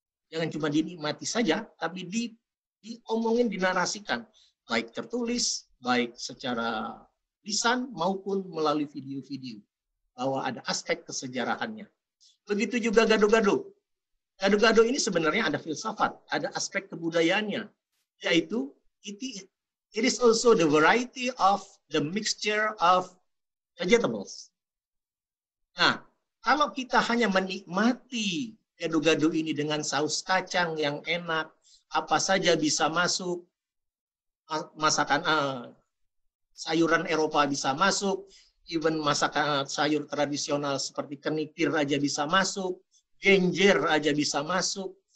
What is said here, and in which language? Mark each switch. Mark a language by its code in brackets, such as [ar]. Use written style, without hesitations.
[id] Jangan cuma dinikmati saja, tapi diomongin, dinarasikan. Baik tertulis, baik secara lisan, maupun melalui video-video. Bahwa ada aspek kesejarahannya. Begitu juga gado-gado. Gado-gado ini sebenarnya ada filsafat, ada aspek kebudayaannya. Yaitu, [en] it is also the variety of the mixture of vegetables. [id] Nah, kalau kita hanya menikmati gado-gado ini dengan saus kacang yang enak, apa saja bisa masuk, masakan sayuran Eropa bisa masuk, even masakan sayur tradisional seperti kenitir aja bisa masuk, genjer aja bisa masuk.